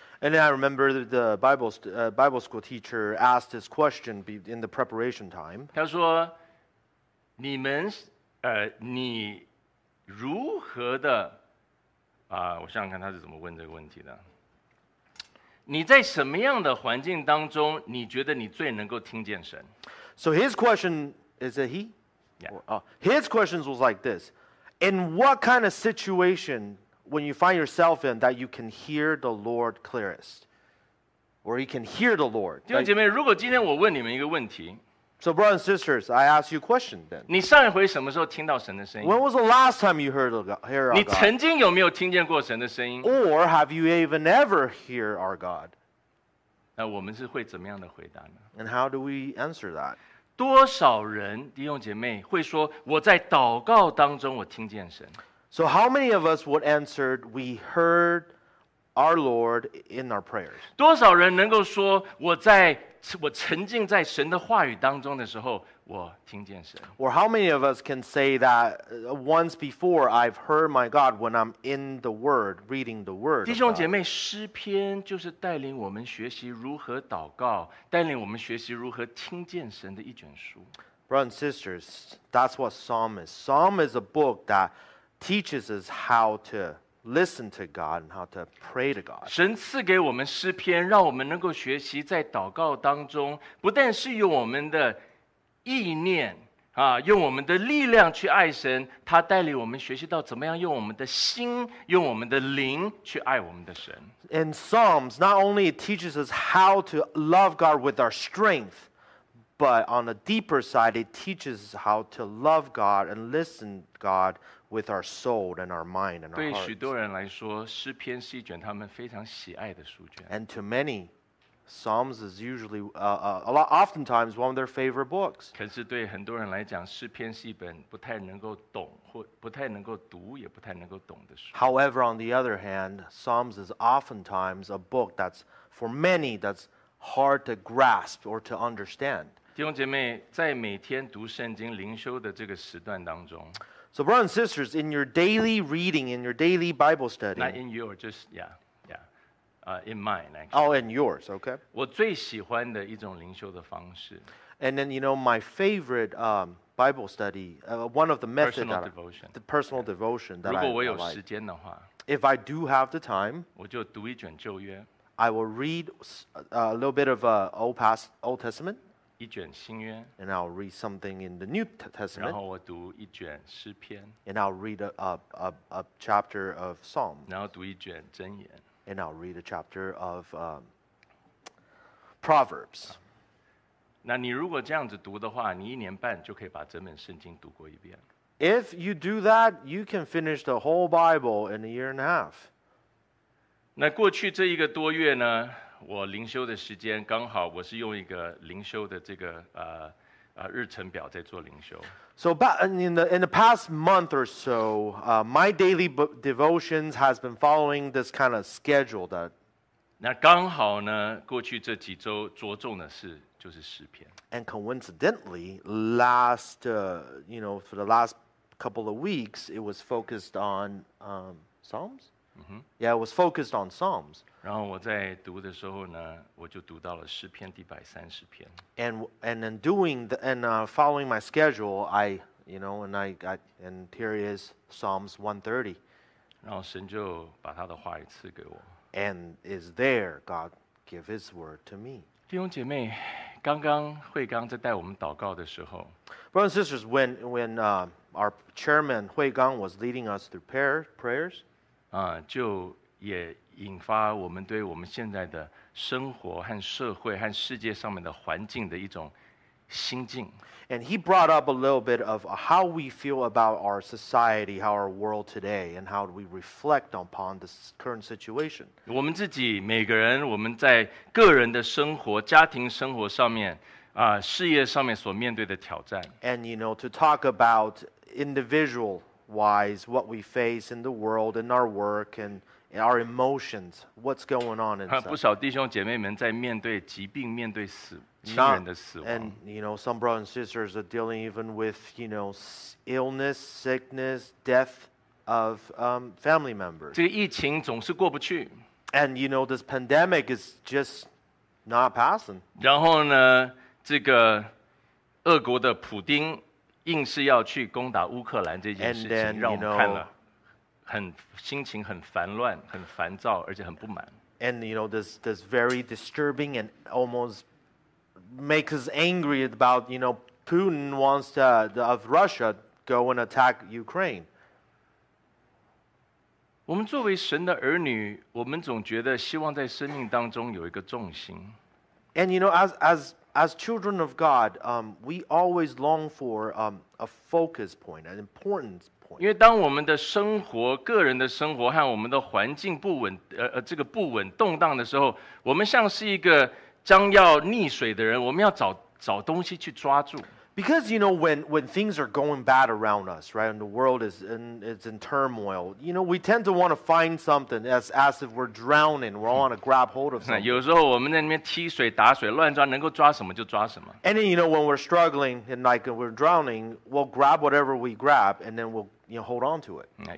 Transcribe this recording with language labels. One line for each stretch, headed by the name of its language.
English: And then I remember the Bible school teacher asked this question in the preparation time.
Chinese: 他说：“你们你如何的我想想看他是怎么问这个问题的。” 你在什么样的环境当中，你觉得你最能够听见神
English: ？So his question is it he? Yeah. His questions was like this: In what kind of situation, when you find yourself in, that you can hear the Lord clearest? where he can hear the Lord.
Chinese: 弟兄姐妹，如果今天我问你们一个问题。
English: So brothers and sisters, I ask you a question then.
Chinese: 你上一回什么时候听到神的声音？
English: When was the last time you heard our God?
Chinese: 你曾经有没有听见过神的声音？
English: Or have you even ever heard our God?
Chinese: 那我们是会怎么样的回答呢？
English: And how do we answer that?
Chinese: 多少人弟兄姐妹会说我在祷告当中我听见神？
English: So how many of us would answer we heard our Lord in our prayers?
Chinese: 多少人能够说我沉浸在神的话语当中的时候我听见神。
English: Or how many of us can say that once before I've heard my God when I'm in the word, reading the word?
Chinese: 弟兄姐妹，诗篇就是带领我们学习如何祷告，带领我们学习如何听见神的一卷书。
English: Brothers and sisters, that's what Psalm is. Psalm is a book that teaches us how to listen to God and how to pray to God.
Chinese: 神赐给我们诗篇，让我们能够学习在祷告当中，不但是用我们的意念啊，用我们的力量去爱神，他带领我们学习到怎么样用我们的心，用我们的灵去爱我们的神。
English: In Psalms, not only it teaches us how to love God with our strength, but on a deeper side, it teaches us how to love God and listen to God with our soul and our mind and our heart.
Chinese: 对许多人来说，诗篇是一卷他们非常喜爱的书卷。
English: And to many, Psalms is usually, oftentimes one of their favorite books.
Chinese: 可是对很多人来讲，诗篇是一本不太能够懂或不太能够读也不太能够懂的书。
English: However, on the other hand, Psalms is oftentimes a book that's for many that's hard to grasp or to understand.
Chinese: 弟兄姐妹，在每天读圣经灵修的这个时段当中。
English: So brothers and sisters, in your daily reading, in your daily Bible study. Not in your, just, yeah, yeah. In mine, actually. Oh, in yours, okay.
Chinese: 我最喜欢的一种灵修的方式。
English: And then, you know, my favorite Bible study, one of the methods. Personal devotion. The personal devotion that I like.
Chinese: 如果我有时间的话。
English: If I do have the time.
Chinese: 我就读一卷旧约。
English: I will read a little bit of Old Testament.
Chinese: 一卷新约。
English: And I'll read something in the New Testament.
Chinese: 然后我读一卷诗篇。
English: And I'll read a chapter of Psalm.
Chinese: 然后读一卷箴言。
English: And I'll read a chapter of Proverbs.
Chinese: 那你如果这样子读的话，你一年半就可以把整本圣经读过一遍。
English: If you do that, you can finish the whole Bible in a year and a half.
Chinese: 那过去这一个多月呢？我灵修的时间刚好，我是用一个灵修的这个日程表在做灵修。
English: So in the past month or so, my daily devotions has been following this kind of schedule. That
Chinese: 那刚好呢，过去这几周着重的是就是诗篇。
English: And coincidentally, last for the last couple of weeks, it was focused on Psalms. Mm-hmm. Yeah, it was focused on Psalms.
Chinese: 然后我在读的时候呢，我就读到了诗篇第百三十篇。
English: And then doing the and following my schedule, I you know and I got and here is Psalms 130.
Chinese: 然后神就把他的话语赐给我。
English: And is there God give His word to me?
Chinese: 弟兄姐妹，刚刚慧刚在带我们祷告的时候
English: ，Brothers and sisters, when our chairman 慧刚 was leading us through prayers,
Chinese: 就也引发我们对我们现在的生活和社会和世界上面的环境的一种心境。
English: And he brought up a little bit of how we feel about our society, how our world today, and how we reflect upon this current situation.
Chinese: 我们自己每个人，我们在个人的生活、家庭生活上面，事业上面所面对的挑战。
English: And you know, to talk about individual-wise, what we face in the world, in our work, and our emotions, what's going on inside.
Chinese: 不少弟兄姐妹们在面对疾病、面对死亲人的死亡。
English: And you know, some brothers and sisters are dealing even with you know illness, sickness, death of family members.
Chinese: 这个疫情总是过不去。
English: And you know, this pandemic is just not passing.
Chinese: 然后呢，这个俄国的普丁硬是要去攻打乌克兰这件事情，让我们看了。很心情很烦乱，很烦躁，而且很不满。
English: And you know this very disturbing and almost makes us angry about you know Putin wants to of Russia go and attack Ukraine.
Chinese: 我们作为神的儿女，我们总觉得希望在生命当中有一个重心。
English: And you know, as children of God, we always long for a focus point, an important point.
Chinese: 因为当我们的生活、个人的生活和我们的环境不稳，这个不稳动荡的时候，我们像是一个将要溺水的人，我们要找东西去抓住。
English: Because you know when things are going bad around us, right, and the world is in turmoil, you know we tend to want to find something as if we're drowning. We want to grab hold of something.
Chinese: 有时候我们在那边踢水打水乱抓，能够抓什么就抓什么。
English: And then, you know when we're struggling and like we're drowning, we'll grab whatever we grab, and then we'll you know hold on to it.